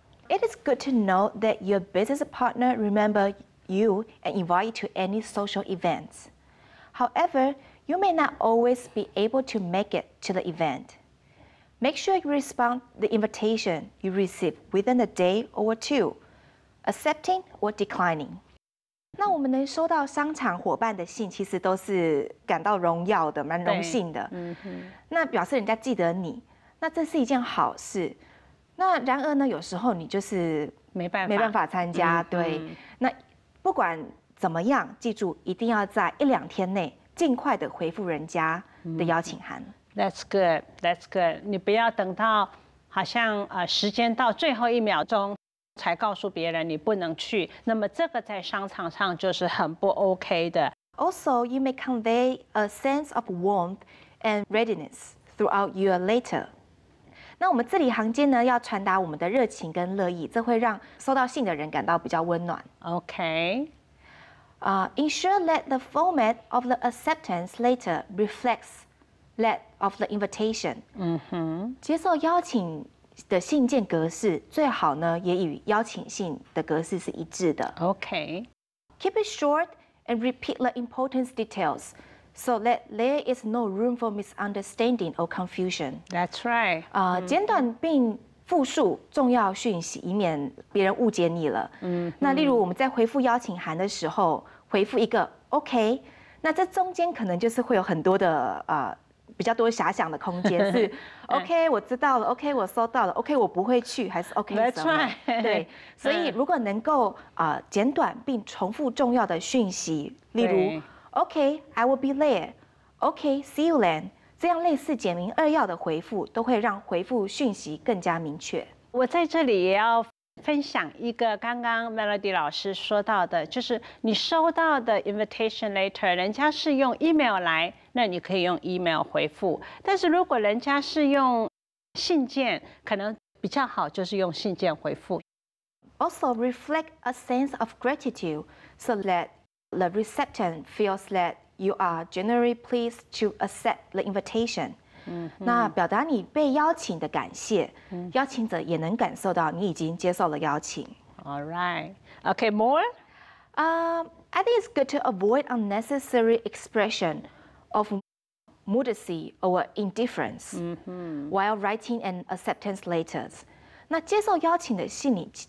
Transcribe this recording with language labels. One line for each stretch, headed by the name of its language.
English: It is good to know that your business partner remember you and invite you to any social events. However, you may not always be able to make it to the event. Make sure you respond to the invitation you receive within a day or two, accepting or declining.
Chinese: 那我们能收到商场伙伴的信，其实都是感到荣耀的，蛮荣幸的。那表示人家记得你，那这是一件好事。那然而呢，有时候你就是没办法参加，对。那不管怎么样，记住一定要在一两天内尽快的回复人家的邀请函。
English: That's good, that's good。
Chinese: 你不要等到好像时间到最后一秒钟才告诉别人你不能去，那么这个在商场上就是很不 OK 的。
English: Also, you may convey a sense of warmth and readiness throughout your letter.
Chinese: 那我们字里行间呢，要传达我们的热情跟乐意，这会让收到信的人感到比较温暖。
English: OK. Ensure that the format of the acceptance letter reflects that of the invitation.
Chinese: 接受邀请的信件格式最好呢，也与邀请信的格式是一致的。
English: OK. Keep it short and repeat the important details. So that there is no room for misunderstanding or confusion. That's right.
Chinese: 简短并复述重要讯息，以免别人误解你了。那例如我们在回复邀请函的时候，回复一个 OK， 那这中间可能就是会有很多的比较多遐想的空间，是 OK， 我知道了 ，OK， 我收到了 ，OK， 我不会去，还是 OK 什么
English: ？That's right.
Chinese: 对，所以如果能够简短并重复重要的讯息，例如。
English: Okay, I will be there. Okay, see you then.
Chinese: 这样类似简明扼要的回复都会让回复讯息更加明确。我在这里也要分享一个刚刚 Melody 老师说到的，就是你收到的 invitation letter， 人家是用 email 来，那你可以用 email 回复。但是如果人家是用信件，可能比较好就是用信件回复。
English: Also, reflect a sense of gratitude so that. The receptant feels that you are genuinely pleased to accept the invitation.
Chinese: 那表达你被邀请的感谢，邀请者也能感受到你已经接受了邀请。
English: All right. Okay, more? I think it's good to avoid unnecessary expression of modesty or indifference while writing an acceptance letter.
Chinese: 那接受邀请的信里